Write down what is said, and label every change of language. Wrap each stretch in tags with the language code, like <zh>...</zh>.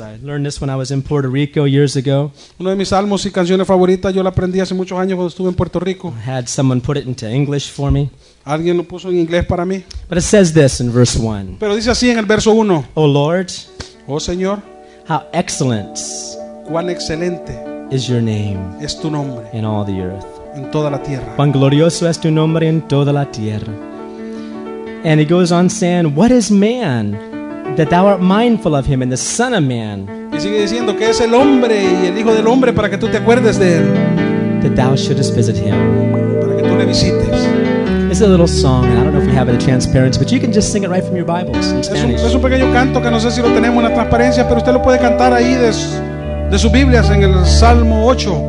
<en>I learned this when I was in Puerto Rico years ago.</en> <es>Uno de mis salmos y canciones favoritas, yo la aprendí hace muchos años cuando estuve en Puerto Rico.</es> <en>I had someone put it into English for me.</en> <es>Alguien lo puso en inglés para mí.</es> <en>But it says this in verse 1.</en> <es>Pero dice así en el verso 1.</es> <en>Oh Lord.</en> <es>Oh Señor.</es> <en>How excellent.</en> <es>Cuán excelente.</es> <en>Is your name.</en> <es>Es tu nombre.</es> <en>In all the earth.</en> <es>En toda la tierra. Cuán glorioso es tu nombre en toda la tierra.</es> <en>And he goes on saying, what is man that thou art mindful of him, and the son of man?</en> <es>Y sigue diciendo, ¿qué es el hombre y el hijo del hombre para que tú te acuerdes de él?</es> <en>That thou shouldest visit him.</en> <es>Para que tú le visites.</es> <en>It's a little song, and I don't know if you have it in transparency, but you can just sing it right from your Bibles in Spanish.</en> <es>Es un pequeño canto que no sé si lo tenemos en la transparencia, pero usted lo puede cantar ahí de sus Biblias en el Salmo 8.</es>